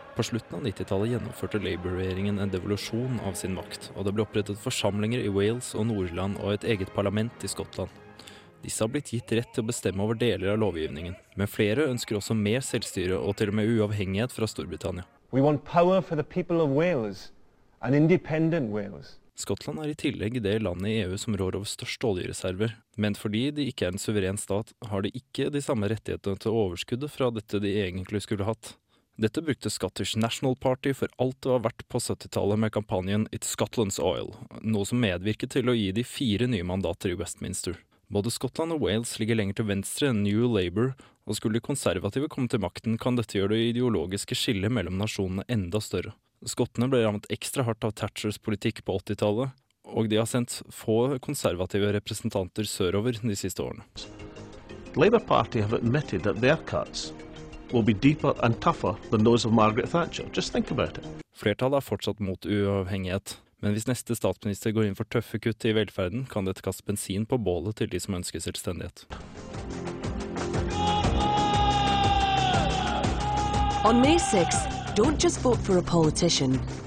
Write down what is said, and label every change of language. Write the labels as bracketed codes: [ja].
[no] På slutten av 90-tallet gjennomførte Labour-regjeringen en devolusjon av sin makt, og det ble opprettet forsamlinger I Wales og Nord-Irland og et eget parlament I Skottland. Disse har blitt gitt rett til å bestemme over deler av lovgivningen, men flere ønsker også mer selvstyre og til og med uavhengighet fra Storbritannia. [en] We want power for the people of Wales, an independent Wales. [no] Skottland I tillegg det landet I EU som rår over største oljereserver, men fordi de ikke en suveren stat, har de ikke de samme rettighetene til overskudd fra dette de egentlig skulle hatt. Dette brukte Scottish National Party for alt det var verdt på 70-tallet med kampanjen It's Scotland's Oil, noe som medvirket til å gi de 4 nye mandater I Westminster. Både Skottland og Wales ligger lenger til venstre enn New Labour, og skulle de konservative komme til makten, kan dette gjøre det ideologiske skillet mellom nasjonene enda større. Skottene ble rammet ekstra hardt av Thatchers politikk på 80-tallet, og de har sendt få konservative representanter sørover de siste årene. [en] Labour Party have admitted that their cuts will be deeper and tougher than those of Margaret Thatcher. Just think about it. [no] Flertallet fortsatt mot uavhengighet, men hvis neste statsminister går inn for tøffe kutt I velferden, kan dette kaste bensin på bålet til de som ønsker selvstendighet. [en] On May 6th, Don't just vote for a politician.